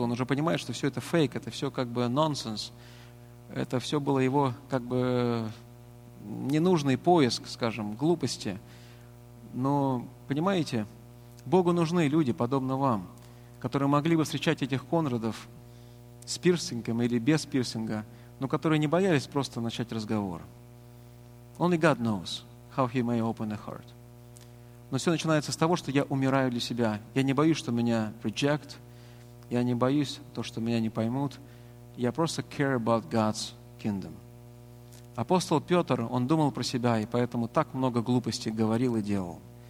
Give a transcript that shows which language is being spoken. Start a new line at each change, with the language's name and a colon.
Russian: Он уже понимает, что все это фейк, это все как бы нонсенс. Это все было его как бы ненужный поиск, скажем, глупости. Но, понимаете, Богу нужны люди, подобно вам, которые могли бы встречать этих Конрадов с пирсингом или без пирсинга, но которые не боялись просто начать разговор.
English: Only God knows how he may open a heart.
Russian: Но все начинается с того, что я умираю для себя. Я не боюсь, что меня
English: reject.
Russian: Я не боюсь то, что меня не поймут. Я просто
English: care about God's kingdom.
Russian: Апостол Петр, он думал про себя, и поэтому так много глупостей говорил и делал.